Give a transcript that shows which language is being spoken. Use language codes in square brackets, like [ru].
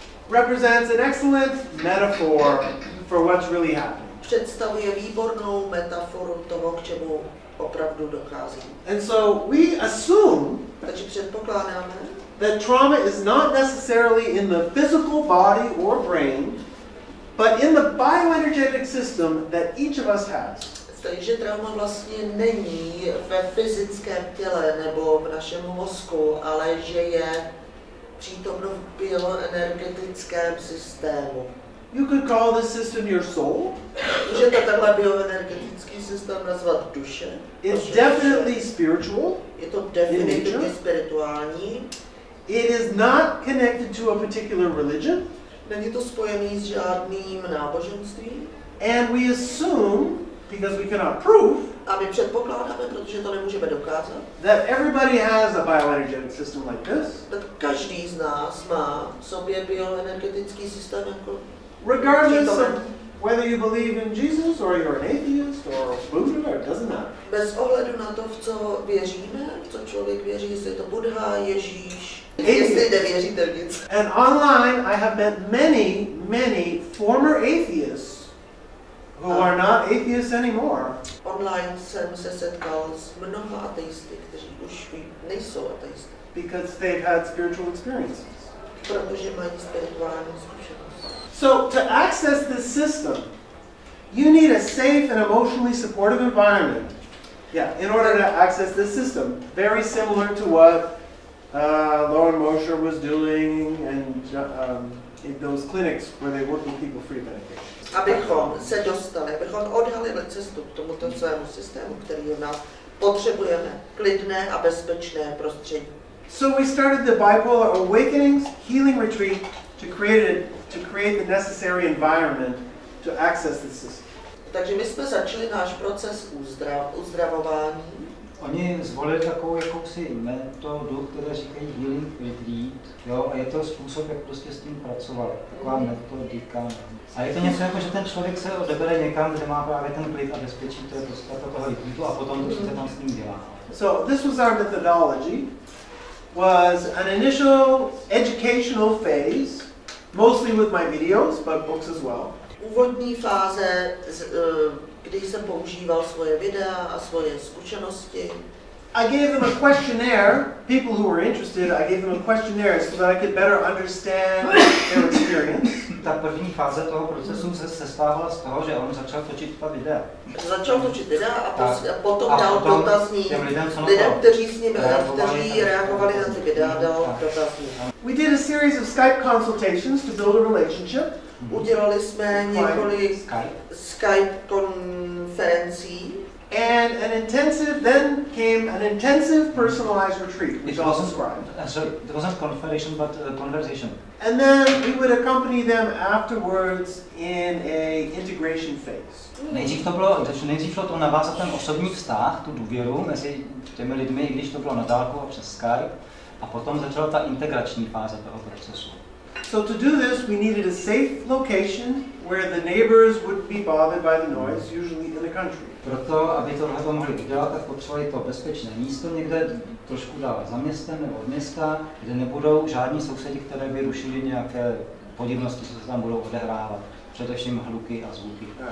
[en] represents an excellent metaphor for what's really happening. [cs] Představuje výbornou metaforu toho, k čemu opravdu dochází. [en] And so we assume, [cs] takže předpokládáme, [en] that trauma is not necessarily in the physical body or brain, but in the bioenergetic system that each of us has. [cs] Takže trauma vlastně není ve fyzickém těle nebo v našem mozku, ale že je přítomno v bioenergetickém systému. [en] You could call this system your soul. [cs] Může to takhle bioenergetický systém nazvat duše. [en] It's definitely spiritual. [cs] Je to definitivně spirituální. [en] It is not connected to a particular religion. [cs] Není to spojený s žádným náboženstvím. [en] And we assume, because we cannot prove, [cs] a my předpokládáme, protože to nemůžeme dokázat, [en] that everybody has a bioenergetic system like this. [cs] That každý z nás má v sobě bioenergetický systém jako. [en] Regardless of whether you believe in Jesus or you're an atheist or Buddha, or it doesn't matter. [cs] Bez ohledu na to, v co věříme, co člověk věří, jestli je to Buddha, Ježíš, jestli nevěříte v nic. [en] And online, I have met many, many former atheists who are not atheists anymore. [cs] Online jsem se setkal s mnoha ateisty, kteří už nejsou ateisty. [en] Because they've had spiritual experiences. [cs] Protože mají spirituální zkušenosti. [en] So to access this system, you need a safe and emotionally supportive environment. Yeah, in order to access this system, very similar to what Lauren Mosher was doing and in those clinics where they work with people free medication. [cs] Abychom se dostali, abychom odhalili cestu k tomuto celému systému, který u nás potřebujeme, klidné a bezpečné prostředí. [en] So we started the bipolar awakenings healing retreat to create the necessary environment to access the system. [cs] Takže my jsme začali náš proces uzdravování. Oni zvolili takovou jakousi metodu, které říkají healing retreat, jo, a je to způsob, jak prostě s tím pracovat, taková metodika. A je to něco jako, že ten člověk se odebere někam, kde má právě ten klid a bezpečí, to je podstata toho retreatu, a potom to se tam s ním dělá. [en] So, this was our methodology, was an initial educational phase, mostly with my videos, but books as well. [cs] Úvodní fáze, kdy jsem používal svoje videa a svoje zkušenosti. [en] I gave them a questionnaire, people who were interested, I gave them a questionnaire so that I could better understand their experience. [cs] Ta první fáze toho procesu se sestávala z toho, že on začal točit ta videa. Začal točit videa a potom dal dotazník lidem, kteří s ním reagovali na ty videa, dal dotazník. [en] We did a series of Skype consultations to build a relationship. [cs] Udělali jsme několik Skype konferencí. [en] And then came an intensive personalized retreat, which I'll describe. So it wasn't confrontation, but a conversation. And then we would accompany them afterwards in a integration phase. [cs] Nejdřív to bylo to navázat ten osobní vztah, tu důvěru mezi těmi lidmi, i když to bylo na dálku a přes Skype, a potom začala ta integrační fáze toho procesu. [en] So to do this, we needed a safe location where the neighbors would be bothered by the noise, usually in the country. [cs] Proto, aby tohle to mohli udělat, tak potřebovali to bezpečné místo někde trošku dál za městem nebo od města, kde nebudou žádní sousedi, které by rušili nějaké podivnosti, co se tam budou odehrávat, především hluky a zvuky.